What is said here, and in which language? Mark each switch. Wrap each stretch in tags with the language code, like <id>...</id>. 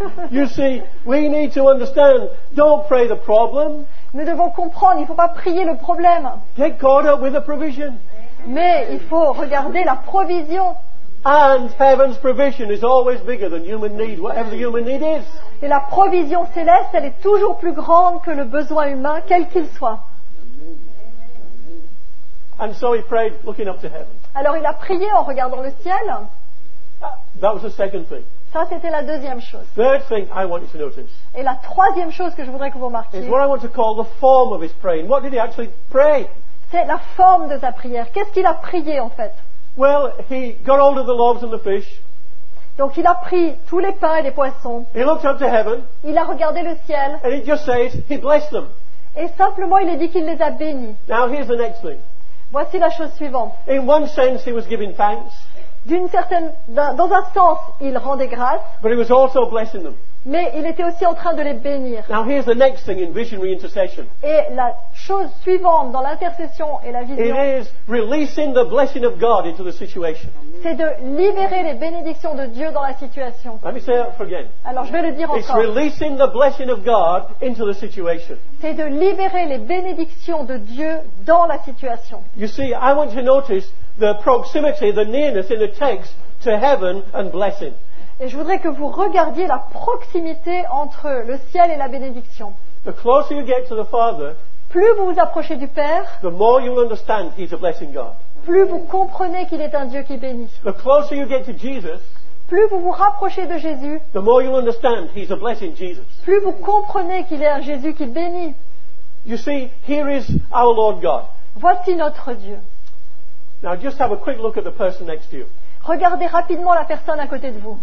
<en>You see, we need to understand, don't pray the problem.</en> <fr>Nous devons comprendre, il ne faut pas prier le problème.</fr> <en>Get caught up with the provision.</en> <fr>Mais il faut regarder la provision.</fr> <en>And heaven's provision is always bigger than human need, whatever the human need is.</en> <fr>Et la provision céleste, elle est toujours plus grande que le besoin humain, quel qu'il soit.</fr> <en>And so he prayed, looking up to heaven.</en> <fr>Alors il a prié en regardant le ciel.</fr> <en>That was the second thing.</en> <fr>Ça, c'était la deuxième chose.</fr> <en>Third thing I want you to notice.</en> <fr>Et la troisième chose que je voudrais que vous remarquiez.</fr> <en>Is what I want to call the form of his praying. What did he actually pray?</en> <fr>C'est la forme de sa prière. Qu'est-ce qu'il a prié en fait?</fr> <en>Well, he got hold of the loaves and the fish.</en> <fr>Donc il a pris tous les pains et les poissons.</fr> <en>He looked up to heaven.</en> <fr>Il a regardé le ciel.</fr> <en>And he just says he blessed them.</en> <fr>Et simplement, il a dit qu'il les a bénis.</fr> <en>Now here's the next thing.</en> <fr>Voici la chose suivante.</fr> <en>In one sense, he was giving thanks.</en> <fr>D'une certaine, dans un sens, il rendait grâce.</fr> <en>But he was also blessing them.</en> <fr>Mais il était aussi en train de les bénir.</fr> <en>Now here's the next thing in visionary intercession.</en> <fr>Et la chose suivante dans l'intercession et la vision.</fr> <en>It is releasing the blessing of God into the situation.</en> <fr>C'est de libérer les bénédictions de Dieu dans la situation.</fr> <en>Let me say that again.</en> <fr>Alors je vais le dire</fr> <en>it's</en> <fr>encore.</fr> <en>Releasing the blessing of God into the situation.</en> <fr>C'est de libérer les bénédictions de Dieu dans la situation.</fr> <en>You see, I want you to notice the proximity, the nearness in the text to heaven and blessing.</en> <fr>Et je voudrais que vous regardiez la proximité entre le ciel et la bénédiction.</fr> <en>The closer you get to the Father,</en> <fr>plus vous vous approchez du Père,</fr> <en>the more you understand he's a blessing God.</en> <fr>Plus vous comprenez qu'il est un Dieu qui bénit.</fr> <en>The closer you get to Jesus,</en> <fr>plus vous vous rapprochez de Jésus,</fr> <en>the more you understand he's a blessing Jesus.</en> <fr>Plus vous comprenez qu'il est un Jésus qui bénit.</fr> <en>You see, here is our Lord God.</en> <fr>Voici notre Dieu.</fr> <en>Now just have a quick look at the person next to you.</en> <fr>Regardez rapidement la personne à côté de vous.</fr>